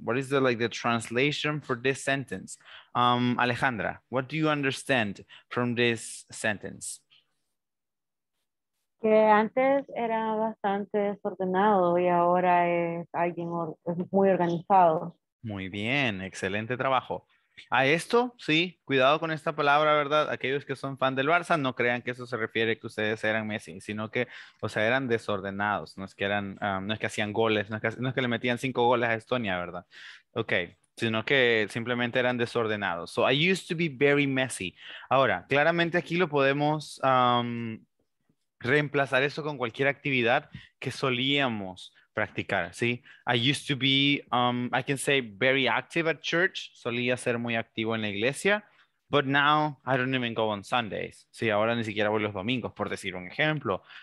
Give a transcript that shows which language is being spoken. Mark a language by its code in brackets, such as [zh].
[en] What is the, like, the translation for this sentence? Alejandra, what do you understand from this sentence? [es] Que antes era bastante desordenado y ahora es alguien muy organizado. Muy bien, excelente trabajo. A esto, sí, cuidado con esta palabra, ¿verdad? Aquellos que son fan del Barça, no crean que eso se refiere a que ustedes eran Messi, sino que, o sea, eran desordenados, no es que eran, no es que hacían goles, no es que le metían 5 goles a Estonia, ¿verdad? [en] Ok, [es] sino que simplemente eran desordenados. [en] So, I used to be very messy. [es] Ahora, claramente aquí lo podemos reemplazar eso con cualquier actividad que solíamos practicar, ¿sí? [en] I used to be, I can say, very active at church. [es] Solía ser muy activo en la iglesia. [en] But now, I don't even go on Sundays. [es] Sí, ahora ni siquiera voy los domingos, por decir un ejemplo.